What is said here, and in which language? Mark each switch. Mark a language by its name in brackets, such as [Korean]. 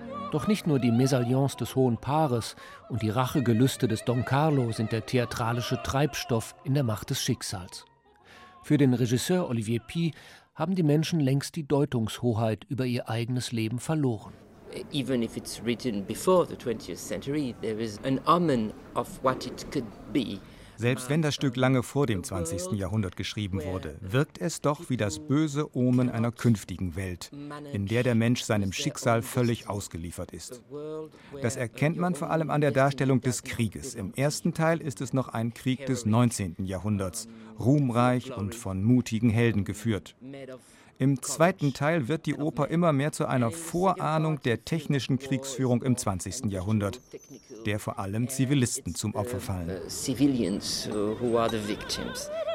[German] Doch nicht nur die Mésalliance des hohen Paares und die Rachegelüste des Don Carlo sind der theatralische Treibstoff in der Macht des Schicksals. Für den Regisseur Olivier Py haben die Menschen längst die Deutungshoheit über ihr eigenes Leben verloren. [English] Even if it's written before the 20th century, there is an omen of what it could be. [German] Selbst wenn das Stück lange vor dem 20. Jahrhundert geschrieben wurde, wirkt es doch wie das böse Omen einer künftigen Welt, in der der Mensch seinem Schicksal völlig ausgeliefert ist. Das erkennt man vor allem an der Darstellung des Krieges. Im ersten Teil ist es noch ein Krieg des 19. Jahrhunderts, ruhmreich und von mutigen Helden geführt. Im zweiten Teil wird die Oper immer mehr zu einer Vorahnung der technischen Kriegsführung im 20. Jahrhundert, der vor allem Zivilisten zum Opfer fallen. [English] Civilians who are the victims.